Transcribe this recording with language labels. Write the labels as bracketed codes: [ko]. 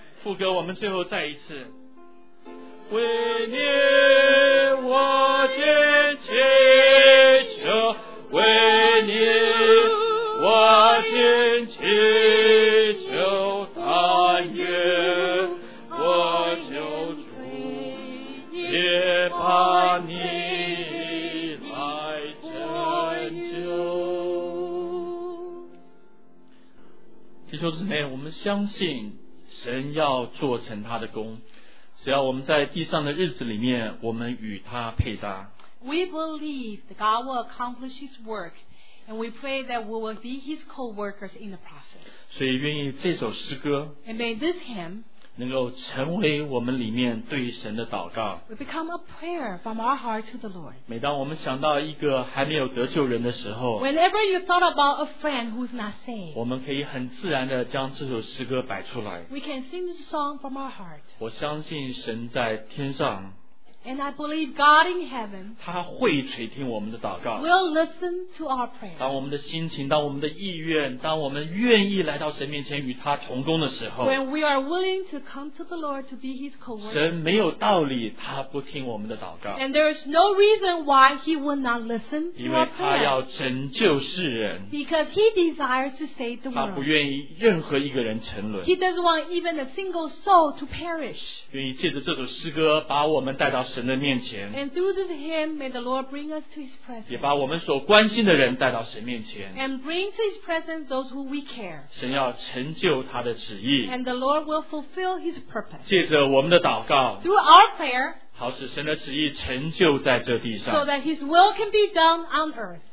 [zh] 副歌我们最后再一次为你我先祈求为你我先祈求他愿我救主也把你来拯救弟兄姊妹我们相信神要做成他的工只要我们在地上的日子里面我们与他配搭 [en] We believe that God will accomplish his work And we pray that we will be his co-workers in the process. [zh] 所以愿意这首诗歌 [en] And may this hymn [zh] 能够成为我们里面对神的祷告 [en] will become a prayer from our heart to the Lord. [zh] 每当我们想到一个还没有得救人的时候 [en] Whenever you thought about a friend who's not saved, [zh] 我们可以很自然地将这首诗歌摆出来 [en] We can sing this song from our heart. [zh] 我相信神在天上 [en] And I believe God in heaven [zh] 他会垂听我们的祷告 [en] will listen to our prayer. [zh] 当我们的心情当我们的意愿当我们愿意来到神面前与他同工的时候 [en] when we are willing to come to the Lord to be his co-worker [zh] 神没有道理他不听我们的祷告 [en] and there is no reason why he would not listen to our prayer. [zh] 因为他要拯救世人 [en] because he desires to save the world. [zh] 他不愿意任何一个人沉沦 [en] he doesn't want even a single soul to perish. [zh] 愿意借着这首诗歌把我们带到神的面前 [en] and through this hymn may the Lord bring us to his presence [zh] 也把我们所关心的人带到神面前 [en] and bring to his presence those who we care [zh] 神要成就他的旨意 [en] and the Lord will fulfill his purpose [zh] 借着我们的祷告 [en] through our prayer [zh] 好使神的旨意成就在这地上 [en] so that his will can be done on earth